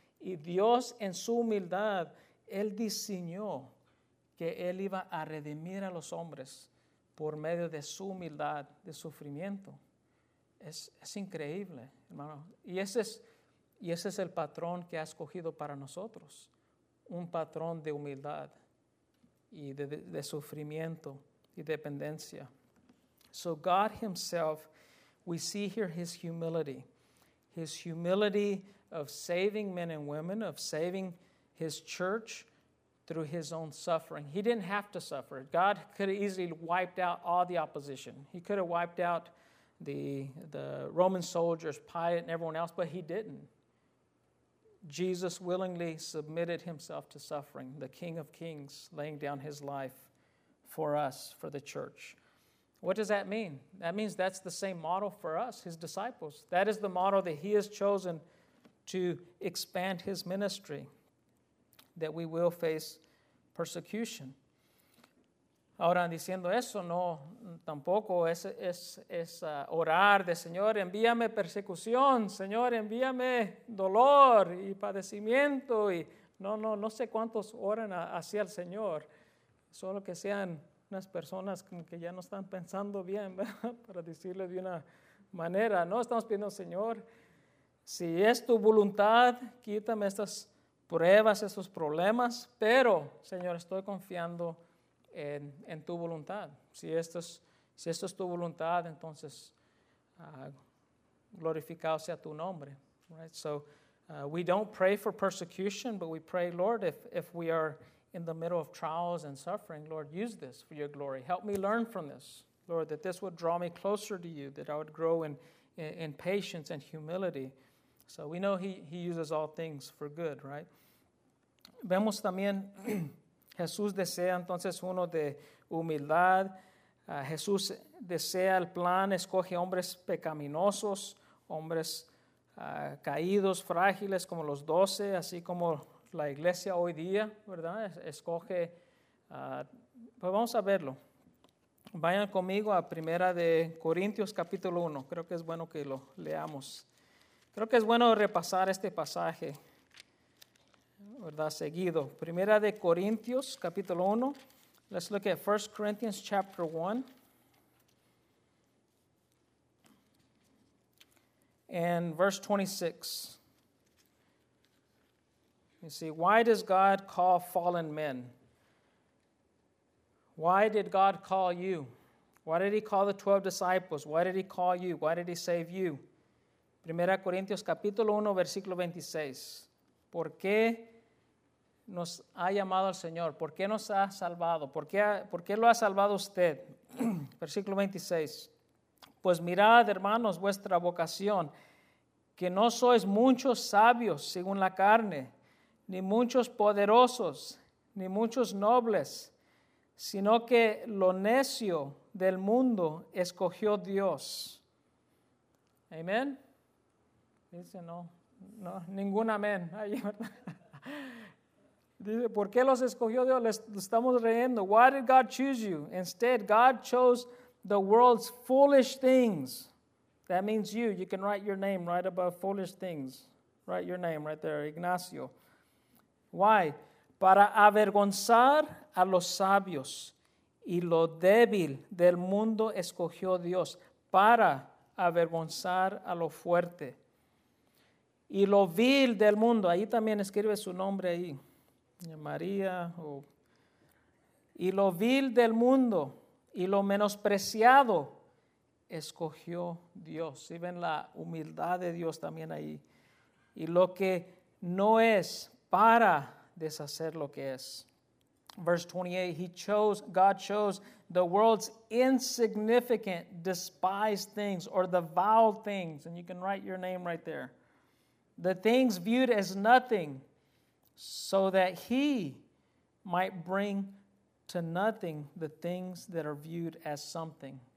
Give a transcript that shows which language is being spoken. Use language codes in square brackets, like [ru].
[es] Y Dios en su humildad, Él diseñó que Él iba a redimir a los hombres por medio de su humildad, de sufrimiento. Es increíble, hermano. Y ese es el patrón que ha escogido para nosotros. Un patrón de humildad y de sufrimiento y dependencia. [en] So God Himself, we see here His humility. His humility of saving men and women, of saving His church through His own suffering. He didn't have to suffer. God could have easily wiped out all the opposition. He could have wiped out the Roman soldiers, Pilate, and everyone else, but He didn't. Jesus willingly submitted Himself to suffering, the King of Kings laying down His life for us, for the church. What does that mean? That means that's the same model for us, His disciples. That is the model that He has chosen to expand His ministry, that we will face persecution. [es] Ahora, diciendo eso, no, tampoco es orar de Señor, envíame persecución, Señor, envíame dolor y padecimiento. Y no sé cuántos oran así al Señor, solo que sean unas personas como que ya no están pensando bien, ¿verdad? Para decirle de una manera, no estamos pidiendo, Señor, si es tu voluntad, quítame estas pruebas, esos problemas, pero, Señor, estoy confiando en tu voluntad. Si esto es tu voluntad, entonces glorificado sea tu nombre. [en] Right? So we don't pray for persecution, but we pray, Lord, if we are in the middle of trials and suffering, Lord, use this for your glory. Help me learn from this, Lord, that this would draw me closer to you, that I would grow in patience and humility. So we know he uses all things for good, right? [es] Vemos también, Jesús desea entonces uno de humildad. Jesús desea el plan, escoge hombres pecaminosos, hombres caídos, frágiles, como los doce, así como la iglesia hoy día, ¿verdad? Escoge, pues vamos a verlo. Vayan conmigo a Primera de Corintios capítulo 1. Creo que es bueno que lo leamos. Creo que es bueno repasar este pasaje, ¿verdad? Seguido. Primera de Corintios capítulo 1. [en] Let's look at 1 Corinthians chapter 1. And verse 26. You see, why does God call fallen men? Why did God call you? Why did He call the 12 disciples? Why did He call you? Why did He save you? [es] Primera Corintios capítulo 1, versículo 26. ¿Por qué nos ha llamado el Señor? ¿Por qué nos ha salvado? ¿Por qué lo ha salvado usted? Versículo 26. Pues mirad, hermanos, vuestra vocación, que no sois muchos sabios según la carne, ni muchos poderosos, ni muchos nobles, sino que lo necio del mundo escogió Dios. ¿Amén? Dice, no, ningún amén. Ahí, ¿verdad? Dice, ¿por qué los escogió Dios? Les estamos riendo. [en] Why did God choose you? Instead, God chose the world's foolish things. That means you. You can write your name right above foolish things. Write your name right there, Ignacio. Why? [es] Para avergonzar a los sabios, y lo débil del mundo escogió Dios para avergonzar a lo fuerte. Y lo vil del mundo, ahí también escribe su nombre ahí, María. Y lo vil del mundo y lo menospreciado escogió Dios. Si ven la humildad de Dios también ahí. Y lo que no es para deshacer lo que es. [en] Verse 28, God chose the world's insignificant, despised things, or the vile things, and you can write your name right there. The things viewed as nothing, so that He might bring to nothing the things that are viewed as something.